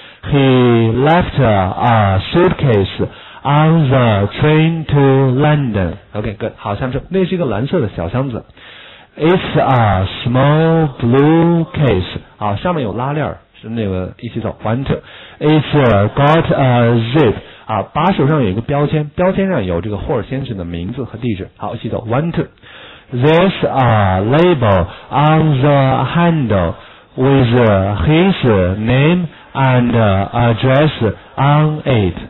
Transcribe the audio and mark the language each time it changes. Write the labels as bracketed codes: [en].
[en] He left a suitcase on the train to London. OK, good. [zh] 好，下面说那是一个蓝色的小箱子。 [en] It's a small blue case. [zh] 好，上面有拉链，是那个一起走。 [en] One, two. It's got a zip. [zh] 啊，把手上有一个标签，标签上有这个霍尔先生的名字和地址。好，一起走。 [en] One, two. There's a label on the handle with his name and address on it.